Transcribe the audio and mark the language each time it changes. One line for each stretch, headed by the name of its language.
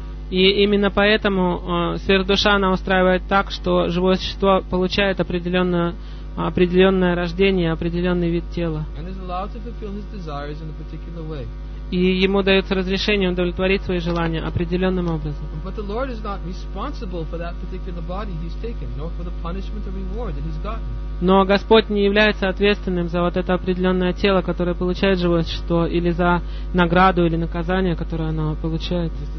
Russian: И именно поэтому сверхдуша она устраивает так, что живое существо получает определенное рождение, определенный вид тела.
English: And is allowed to fulfill his desires in a particular way.
Russian: И ему дается разрешение удовлетворить свои желания определенным образом.
English: But the Lord is not responsible for that particular body he's taken, nor for the punishment or reward that he's gotten.
Russian: Но Господь не является ответственным за вот это определенное тело, которое получает живое существо, или за награду, или наказание, которое оно получает.